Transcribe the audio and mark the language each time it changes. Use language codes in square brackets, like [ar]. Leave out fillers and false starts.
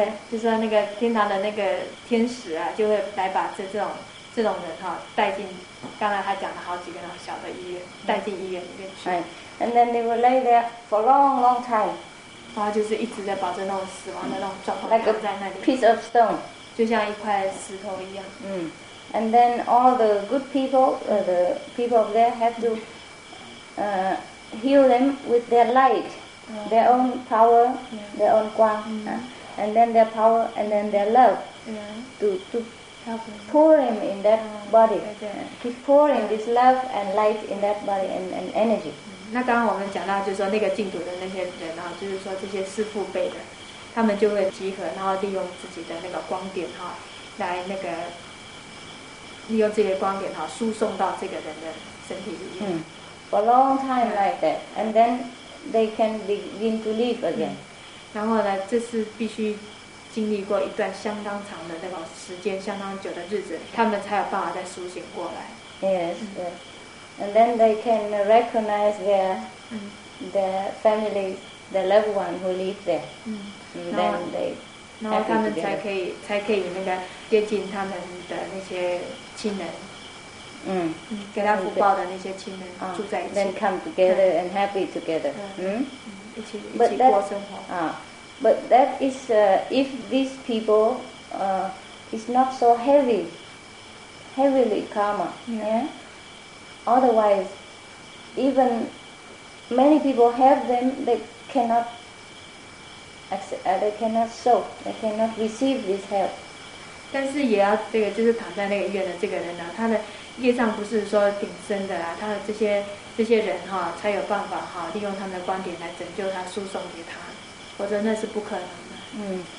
[zh] 就是那个天堂的那个天使啊，就会来把这种人哈带进，刚才他讲了好几个那种小的医院，带进医院里面去。 [en] And then they will lay there for long, long time. [zh] 然后就是一直在保证那种死亡的那种状况， [en] like [zh] a 在那里。 [en] Piece of stone. [zh] 就像一块石头一样。 [en] And then all the good people, the people of there have to heal them with their light, their own power, their own 光、and then their power, and then their love, to pour him in that body, keep pouring this love and light in that body and energy. [zh] 那刚刚我们讲到，就是说那个净土的那些人啊，就是说这些师父辈的。他们就会集合，然后利用自己的那个光点哈，来那个利用这些光点哈，输送到这个人的身体里面。 [en] For a long time like that, and then they can begin to live again. [zh] 然后呢，这是必须经历过一段相当长的那种时间，相当久的日子，他们才有办法再苏醒过来。 [en] Yes. And then they can recognize their family, their loved one who live there. [zh] Then 然后他们才可以那个接近他们的那些亲人，给他福报的那些亲人住在一起。 [en] Then come together and happy together. [zh] 一起过生活。 [en] But that is if these people is not so heavily karma. Yeah. Otherwise, even many people have them, they cannot. They cannot soak. They cannot receive this help. [zh] 但是也要这个，就是躺在那个医院的这个人呢、啊，他的业障不是说顶身的啊，他的这些人哈、啊，才有办法哈、啊，利用他们的观点来拯救他，输送给他，否则那是不可能的。